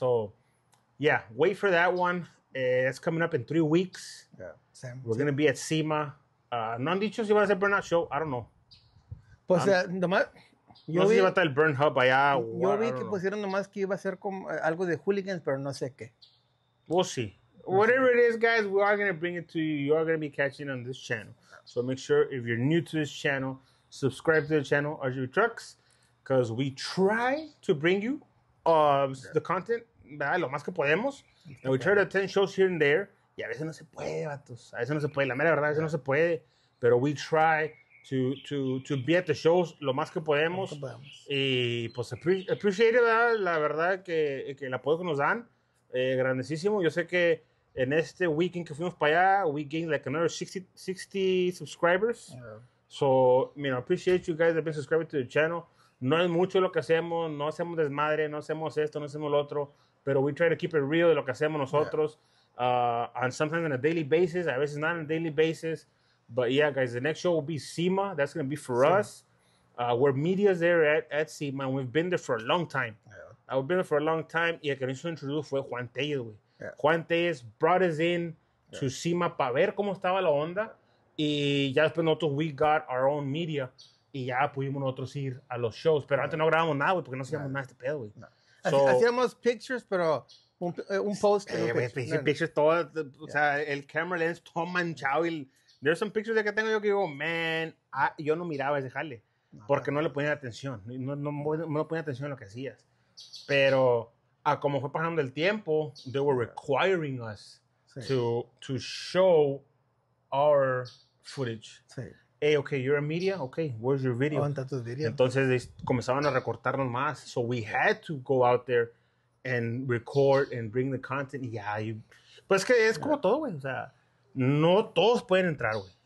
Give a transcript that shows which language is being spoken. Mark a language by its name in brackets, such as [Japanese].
[English] So, yeah, wait for that one. It's coming up in 3 weeks. Yeah. We're going to be at SEMA. [Spanish] No han dicho si va a ser Burnout Show. [English] I don't know. [Spanish] Pues, nomás... Yo no vi, sé si va a estar el Burn Hub allá. Yo vi que pusieron nomás que iba a ser como, algo de hooligans, pero no sé qué. [English] We'll see. No Whatever sé. It is, guys, we are going to bring it to you. You are going to be catching on this channel. So make sure, if you're new to this channel, subscribe to the channel, RGB Trucks, because we try to bring you the content. [Spanish] ¿Verdad? Lo más que podemos. [English] And we try to attend shows here and there. [Spanish] Y a veces no se puede, vatos. A veces no se puede. La mera verdad, a veces no se puede. Pero [English] we try to be at the shows [Spanish] lo más que podemos. Y pues appreciate, ¿verdad? La verdad que el apoyo que nos dan. [English] Grandísimo. Yo sé que en este weekend que fuimos para allá, we gained like another 60 subscribers. Yeah. So, you know, appreciate you guys that have been subscribing to the channel. [Spanish] no es mucho lo que hacemos, no hacemos desmadre, no hacemos esto, no hacemos lo otro, pero [English] we try to keep it real [Spanish] de lo que hacemos nosotros, yeah. [English] And sometimes on a daily basis, [Spanish] a veces [English] not on a daily basis, but yeah, guys, the next show will be SEMA, that's going to be for SEMA. Us, where media's there at SEMA, and we've been there for a long time. Yeah. We've been there for a long time, [Spanish] y el que nos introdujo fue Juan Tellez, güey. [English] Yeah. Juan Tellez brought us in to SEMA [Spanish] para ver cómo estaba la onda, y ya después nosotros [English] we got our own media, [Spanish] y ya pudimos nosotros ir a los shows, pero antes no grabamos nada, güey, porque no hacíamos nada de este pedo, güey. No. So, hacíamos pictures, pero un post. Pictures todo, o sea, el camera lens todo manchado, y [English] there's some pictures [Spanish] de que tengo yo que digo, man, yo no miraba ese jale, porque no le ponía atención, no ponía atención a lo que hacías, pero como fue pasando el tiempo, [English] they were requiring us to show our footage. [Spanish] Sí. [English] Hey, okay, you're a media? Okay, where's your video? [Spanish] ¿Dónde está tu video? Entonces comenzaban a recortarnos más. [English] So we had to go out there and record and bring the content. [Spanish] Yeah, pues que es como todo, güey. O sea, no todos pueden entrar, güey.